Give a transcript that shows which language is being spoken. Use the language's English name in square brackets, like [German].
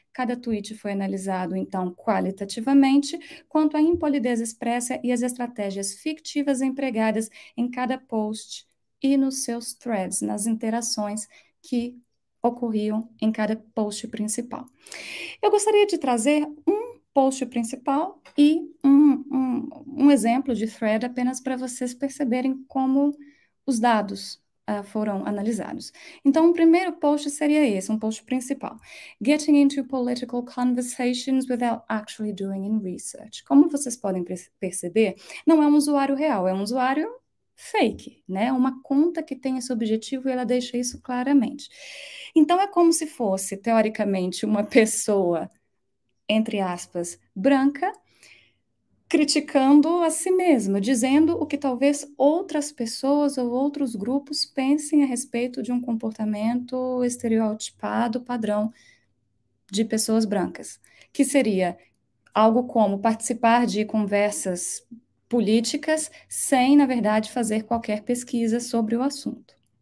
[Portuguese] Cada tweet foi analisado, então, qualitativamente, quanto à impolidez expressa e as estratégias fictivas empregadas em cada post e nos seus threads, nas interações que ocorriam em cada post principal. Eu gostaria de trazer post principal e um exemplo de thread apenas para vocês perceberem como os dados foram analisados. Então, o primeiro post seria esse, um post principal. [English] Getting into political conversations without actually doing any research. [Portuguese] Como vocês podem perceber, não é um usuário real, é um usuário fake, né? Uma conta que tem esse objetivo e ela deixa isso claramente. Então, é como se fosse, teoricamente, uma pessoa, entre aspas, branca, criticando a si mesmo, dizendo o que talvez outras pessoas ou outros grupos pensem a respeito de um comportamento estereotipado, padrão de pessoas brancas, que seria algo como participar de conversas políticas sem, na verdade, fazer qualquer pesquisa sobre o assunto.